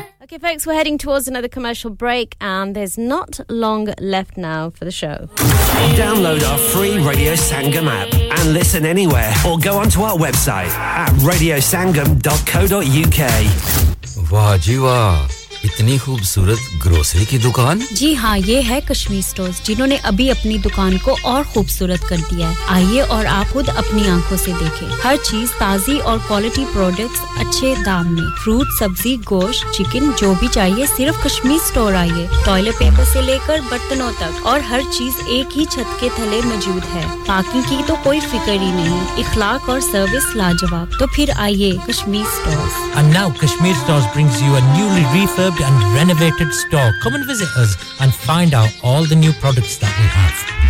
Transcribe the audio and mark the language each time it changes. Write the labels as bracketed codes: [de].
[en] Okay, folks, we're heading towards another commercial break, and there's not long left now for the show. Download our free Radio Sangam app and listen anywhere, or go onto our website at radiosangam.co.uk. Wow, ji wow. [hi] इतनी खूबसूरत grocery की दुकान जी हाँ ये है Kashmir stores जिन्होंने अभी अपनी दुकान को और खूबसूरत कर दिया है आइए और आप खुद अपनी आंखों से देखें हर चीज ताजी और क्वालिटी प्रोडक्ट्स अच्छे दाम में फ्रूट सब्जी गोश्त चिकन जो भी चाहिए सिर्फ कश्मीर स्टोर आइए टॉयलेट पेपर से लेकर बर्तनों तक और हर चीज एक ही छत के तले मौजूद है पार्किंग की तो कोई फिक्र ही नहीं इखलाक और सर्विस लाजवाब तो फिर आइए Kashmir stores [en] And now Kashmir stores brings you a newly refurb moved and renovated store. Come and visit us and find out all the new products that we have.